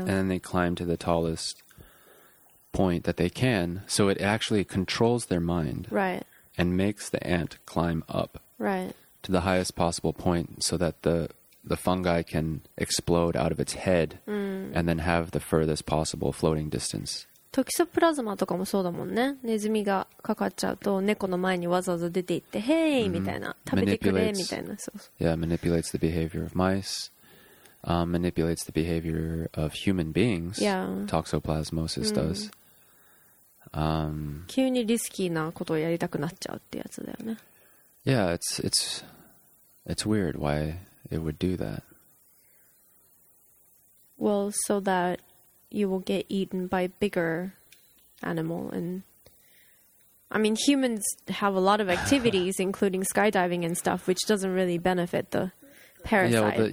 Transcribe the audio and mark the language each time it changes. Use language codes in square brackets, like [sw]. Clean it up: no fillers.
[en] And then they climb to the tallest point that they can, so it actually controls their mind, right, and makes the ant climb up, right, to the highest possible point, so that the fungi can explode out of its head, and then have the furthest possible floating distance. [ja] トキソプラズマとかもそうだもんね。ネズミがかかっちゃうと猫の前にわざわざ出ていって、hey! [en] mm-hmm. [ja] みたいな、食べてくれみたいな。そうそう。 [en] Yeah, manipulates the behavior of mice. Manipulates the behavior of human beings. Yeah. Toxoplasmosis does. [ja] 急にリスキーなことをやりたくなっちゃうってやつだよね。 [en] Yeah, it's weird why it would do that. Well, so that you will get eaten by a bigger animal. And I mean, humans have a lot of activities, including skydiving and stuff, which doesn't really benefit the parasite.